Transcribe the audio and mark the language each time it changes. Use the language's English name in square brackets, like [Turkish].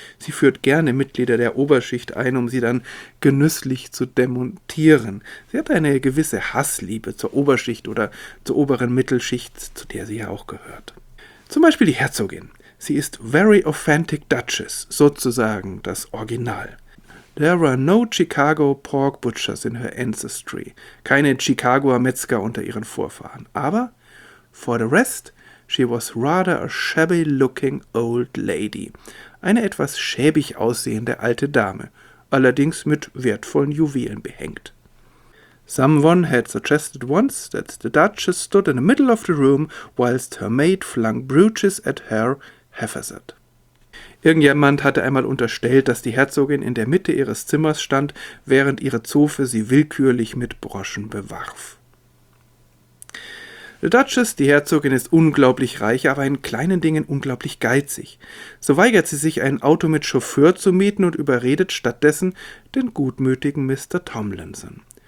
[German] Sie führt gerne Mitglieder der Oberschicht ein, um sie dann genüsslich zu demontieren. Sie hat eine gewisse Hassliebe zur Oberschicht oder zur oberen Mittelschicht, zu der sie ja auch gehört. Zum Beispiel die Herzogin. Sie ist [English] Very Authentic Duchess, [German] sozusagen das Original. [English] There were no Chicago pork butchers in her ancestry. [German] Keine Chicagoer Metzger unter ihren Vorfahren. Aber [English] for the rest, she was rather a shabby looking old lady. [German] Eine etwas schäbig aussehende alte Dame, allerdings mit wertvollen Juwelen behängt. [English] Someone had suggested once that the Duchess stood in the middle of the room whilst her maid flung brooches at her haphazard. [German] Irgendjemand hatte einmal unterstellt, dass die Herzogin in der Mitte ihres Zimmers stand, während ihre Zofe sie willkürlich mit Broschen bewarf. The Duchess, die Herzogin, ist unglaublich reich, aber in kleinen Dingen unglaublich geizig. So weigert sie sich, ein Auto mit Chauffeur zu mieten und überredet stattdessen den gutmütigen Mr. Tomlinson.